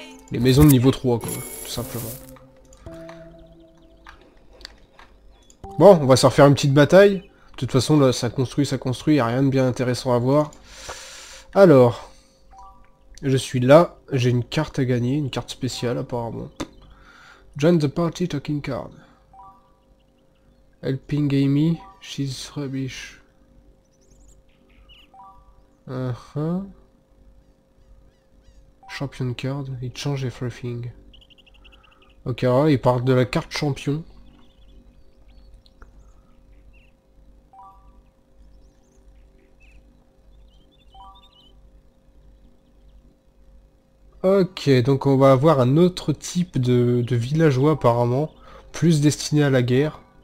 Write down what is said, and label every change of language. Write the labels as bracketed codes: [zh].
[fr] Les maisons de niveau 3, quoi, tout simplement. Bon, on va se refaire une petite bataille. De toute façon, là, ça construit, y a rien de bien intéressant à voir. Alors. Je suis là, j'ai une carte à gagner, une carte spéciale apparemment. [en] Join the party talking card. Helping Amy, she's rubbish. Champion card, it change everything. [fr] Ok, alors là, il parle de la carte champion. Ok, donc on va avoir un autre type de villageois apparemment, plus destiné à la guerre.